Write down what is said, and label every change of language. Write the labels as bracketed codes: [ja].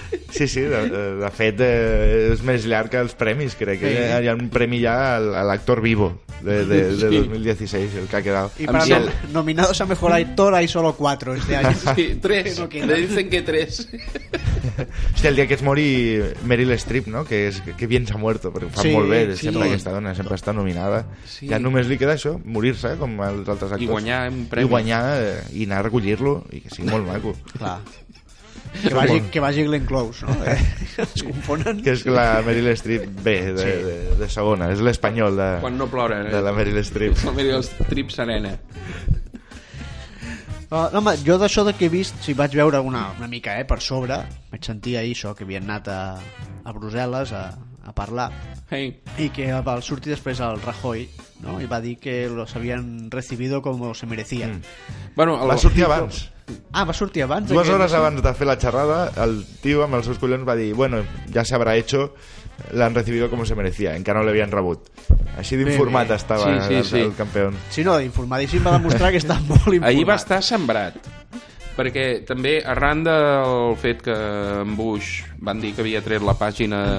[ca] Sí, de fet és més llarg que els premis, crec. Sí. Hi ha un premi ja a l'actor vivo de 2016, el que ha quedat. I per [es] nominados a mejor actor hay solo 4 este año. Sí, 3, no, le dicen que 3. [ca] Hòstia, el dia que es mori Meryl Streep, no? [es] que bien se ha muerto, [ca] perquè fa molt bé, sempre aquesta dona, sempre està nominada. Sí. Ja només li queda això, morir-se, com els altres actors. I guanyar un premi. I guanyar, i anar a recollir-lo, i que sigui molt maco. Clar. Que vagi Glenn Close, no? Es confonen. Que és la Meryl Streep B de segona, és l'espanyol de... Quan no ploren, de la Meryl Streep. La Meryl Streep serena. Home, jo d'això que he vist, si vaig veure una mica per sobre, vaig sentir ahir això, que havien anat a Brussel·les a parlar. Hey. I que va sortir després el Rajoy, no? I va dir que [es] los habían recibido como se merecían. [ca] Bueno, va sortir abans. Ah, va sortir abans. Dues hores abans de fer la xerrada, el tio amb els seus collons va dir, bueno, [es] ya se habrá hecho, [ca] l'han [es] recibido como se merecía, [ca] encara no l'havien rebut. Així d'informat estava el campeón. Sí, no, informadíssim, va demostrar que està molt informat. Ahir va estar sembrat, perquè també arran del fet que en Bush van dir que havia tret la pàgina...